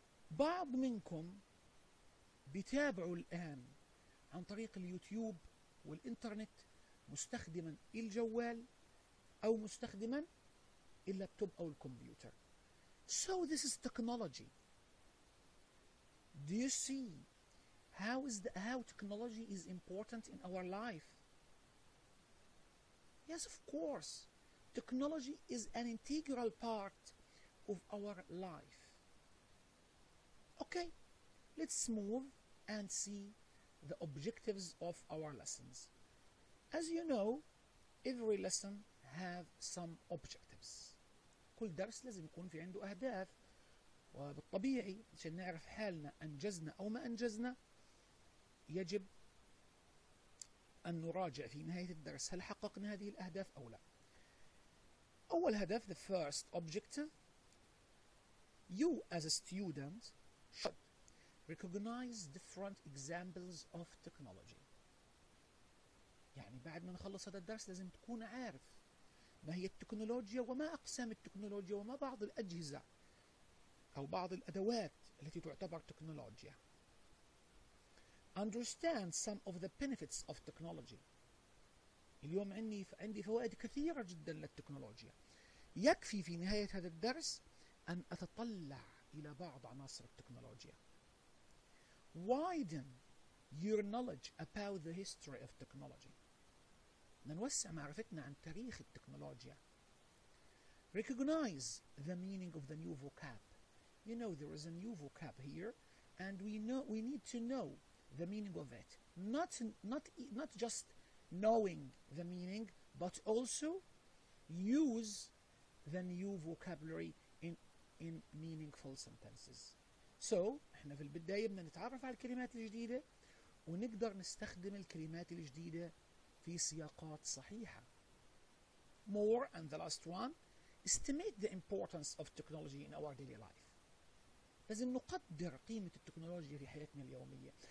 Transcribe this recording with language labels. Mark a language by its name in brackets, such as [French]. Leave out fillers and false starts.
[Arabic] بعض منكم بتابعوا الآن عن طريق اليوتيوب والإنترنت مستخدما الجوال أو مستخدما اللابتوب أو الكمبيوتر. [English] So this is technology. Do you see how technology is important in our life? Yes, of course. Technology is an integral part of our life. Okay, let's move and see the objectives of our lessons. As you know, every lesson has some objectives. [Arabic] كل درس لازم يكون في عنده أهداف، وبالطبيعي عشان نعرف حالنا أنجزنا أو ما أنجزنا يجب أن نراجع في نهاية الدرس هل حققنا هذه الأهداف أو لا. أول هدف، [English] the first objective, you as a student should recognize different examples of technology. [Arabic] يعني بعد ما نخلص هذا الدرس لازم تكون عارف ما هي التكنولوجيا وما أقسام التكنولوجيا وما بعض الأجهزة أو بعض الأدوات التي تعتبر تكنولوجيا. [English] Understand some of the benefits of technology. [Arabic] اليوم عندي فوائد كثيرة جدا للتكنولوجيا. يكفي في نهاية هذا الدرس أن أتطلع إلى بعض عناصر التكنولوجيا. [English] Widen your knowledge about the history of technology. [Arabic] نوسع معرفتنا عن تاريخ التكنولوجيا. [English] Recognize the meaning of the new vocab. You know there is a new vocab here, and we need to know the meaning of it. Not just knowing the meaning, but also use the new vocabulary in meaningful sentences. So [Arabic] احنا في البداية بدنا نتعرف على الكلمات الجديدة ونقدر نستخدم الكلمات الجديدة في سياقات صحيحة. [English] More and the last one, estimate the importance of technology in our daily life. [Arabic] لازم نقدر قيمة التكنولوجيا في حياتنا اليومية.